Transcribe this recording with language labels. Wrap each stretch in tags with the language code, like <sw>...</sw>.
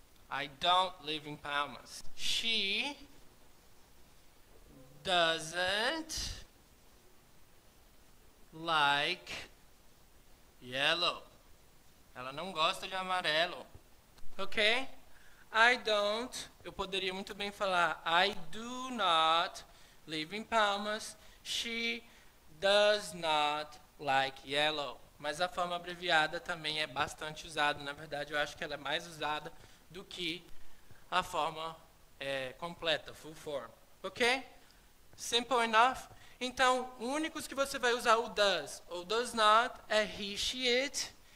<en>I don't live in Palmas. She doesn't like yellow.</en> <pt>Ela não gosta de amarelo. Ok? I don't, eu poderia muito bem falar,</pt> <en>I do not live in Palmas. She does not like yellow.</en> <pt>Mas a forma abreviada também é bastante usada. Na verdade, eu acho que ela é mais usada do que a forma completa, full form. Ok?</pt> <en>Simple enough?</en> <pt>Então, o único que você vai usar o does ou does not é he, she, it.</pt>